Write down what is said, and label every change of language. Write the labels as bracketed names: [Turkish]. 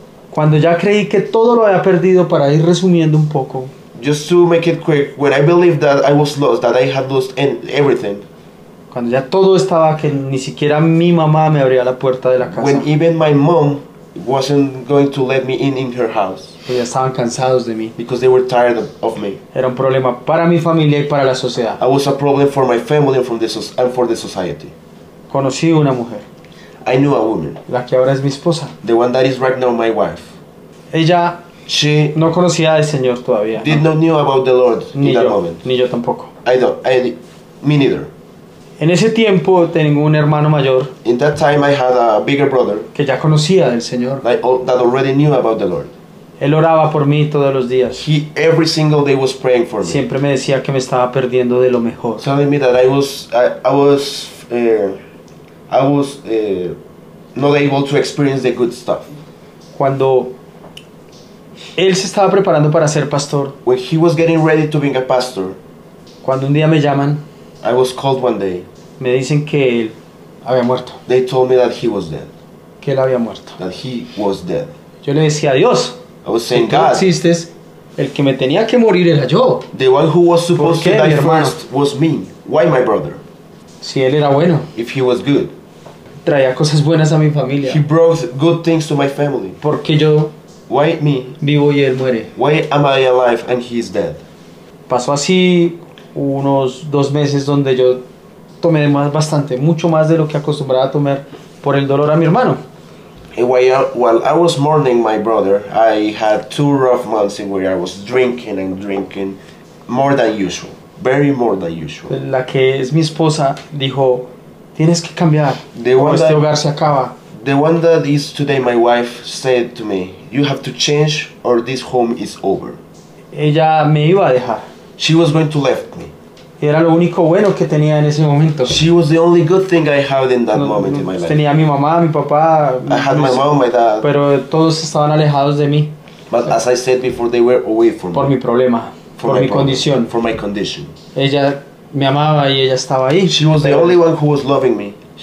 [Spanish] Cuando ya creí que todo lo había perdido, para ir resumiendo un poco. [English] Just to make it quick, when I believed that I was lost, that I had lost everything. [Spanish] Cuando ya todo estaba que ni siquiera mi mamá me abría la puerta de la casa. [English] When even my mom wasn't going to let me in her house. [Spanish] Porque ya estaban cansados de mí. [English] Because they were tired of me. [Spanish] Era un problema para mi familia y para la sociedad. [English] I was a problem for my family and for the society. [Spanish] Conocí una mujer. [English] I knew a woman. [Spanish] La que ahora es mi esposa. [English] The one that is right now my wife. [Spanish] Ella. [English] She. [Spanish] No conocía al Señor todavía. [English] Did [Spanish] no. [English] not know about the Lord [Spanish] ni [English] in [Spanish] yo, [English] that moment. [Spanish] Ni yo tampoco. [English] I don't. I. Me neither. [Spanish] En ese tiempo tengo un hermano mayor. [English] In that time I had a bigger brother. [Spanish] Que ya conocía del Señor. [English] That already knew about the Lord. [Spanish] Él oraba por mí todos los días. [English] He every single day was praying for me. [Spanish] Siempre me decía que me estaba perdiendo de lo mejor. [English] Telling me that I was not able to experience the good stuff. [Spanish] Cuando él se estaba preparando para ser pastor. [English] When he was getting ready to being a pastor. [Spanish] Cuando un día me llaman. [English] I was called one day. [Spanish] Me dicen que él había muerto. [English] They told me that he was dead. [Spanish] Que él había muerto. [English] That he was dead. [Spanish] Yo le decía a Dios. [English] I was saying God. [Spanish] Si tú existes, el que me tenía que morir era yo. [English] The one who was supposed to die first was me. Why my brother? [Spanish] Si él era bueno. [English] If he was good. [Spanish] Traía cosas buenas a mi familia. [English] He brought good things to my family. [Spanish] Porque yo. [English] Why me? [Spanish] Vivo y él muere. [English] Why am I alive and he is dead? [Spanish] Pasó así unos dos meses donde yo tomé más bastante, mucho más de lo que acostumbraba a tomar por el dolor a mi hermano. [English] And while I was mourning my brother, I had two rough months in where I was drinking and drinking more than usual. Very more than usual. [Spanish] La que es mi esposa dijo, tienes que cambiar, este hogar se acaba. [English] The one that is today my wife said to me, you have to change or this home is over. [Spanish] Ella me iba a dejar. [English] She was going to leave me. [Spanish] Era lo único bueno que tenía en ese momento. [English] She was the only good thing I had in that moment in my life. [Spanish] Tenía mi mamá, mi papá. [English] I had my mom, my dad. [Spanish] Pero todos estaban alejados de mí. [English] But as I said before, they were away from me. [Spanish] Por mi problema. Por mi condición. [English] For my condition. [Spanish] Ella me amaba y ella estaba ahí. [English] She was the only one who was loving me.